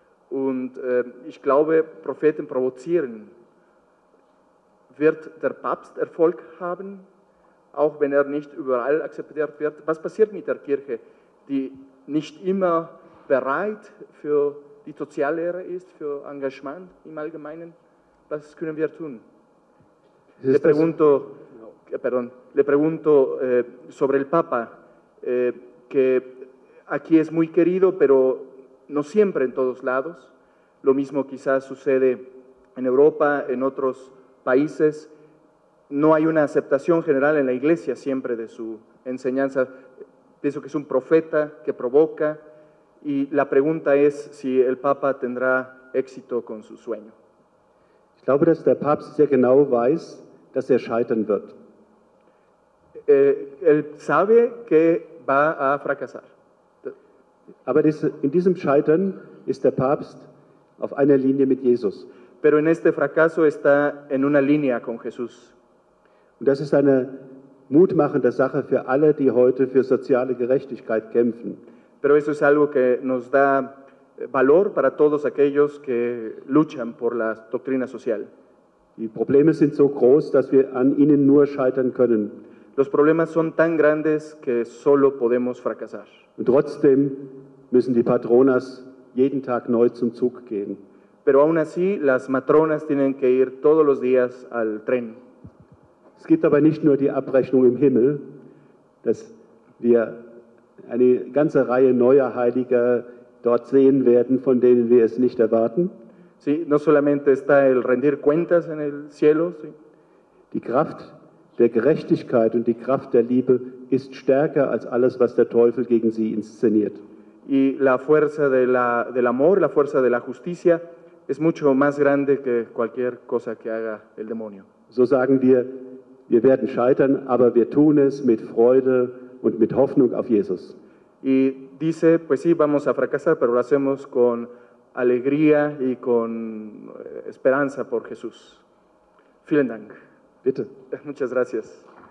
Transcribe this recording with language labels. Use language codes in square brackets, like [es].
[de] Und ich glaube, Propheten provozieren. Wird der Papst Erfolg haben, auch wenn er nicht überall akzeptiert wird? Was passiert mit der Kirche, die nicht immer bereit für die Soziallehre ist, für Engagement im Allgemeinen? Was können wir tun? [es] Le pregunto sobre el Papa, que aquí es muy querido, pero no siempre en todos lados. Lo mismo quizás sucede en Europa, en otros países. No hay una aceptación general en la Iglesia siempre de su enseñanza. Pienso que es un profeta que provoca, y la pregunta es si el Papa tendrá éxito con su sueño. [de] Ich glaube, dass der Papst sehr genau weiß, dass scheitern wird. [es] Él sabe que va a fracasar. [de] Aber in diesem Scheitern ist der Papst auf einer Linie mit Jesus. [es] Pero en este fracaso está en una línea con Jesús. [de] Und das ist eine mutmachende Sache für alle, die heute für soziale Gerechtigkeit kämpfen. [es] Pero eso es algo que nos da valor para todos aquellos que luchan por la doctrina social. [de] Die Probleme sind so groß, dass wir an ihnen nur scheitern können. [es] Los problemas son tan grandes que solo podemos fracasar. [de] Und trotzdem müssen die Patronas jeden Tag neu zum Zug gehen. [es] Pero aún así, las matronas tienen que ir todos los días al tren. [de] Es gibt aber nicht nur die Abrechnung im Himmel, dass wir eine ganze Reihe neuer Heiliger dort sehen werden, von denen wir es nicht erwarten. [es] Sí, no solamente está el rendir cuentas en el cielo. Sí. [de] Die Kraft der Gerechtigkeit und die Kraft der Liebe ist stärker als alles, was der Teufel gegen sie inszeniert. [es] Y la fuerza del amor, la fuerza de la justicia, es mucho más grande que cualquier cosa que haga el demonio. [de] So sagen wir, wir werden scheitern, aber wir tun es mit Freude und mit Hoffnung auf Jesus. [es] Y dice, pues sí, vamos a fracasar, pero lo hacemos con alegría y con esperanza por Jesús. [de] Vielen Dank. Bitte. [es] Muchas gracias.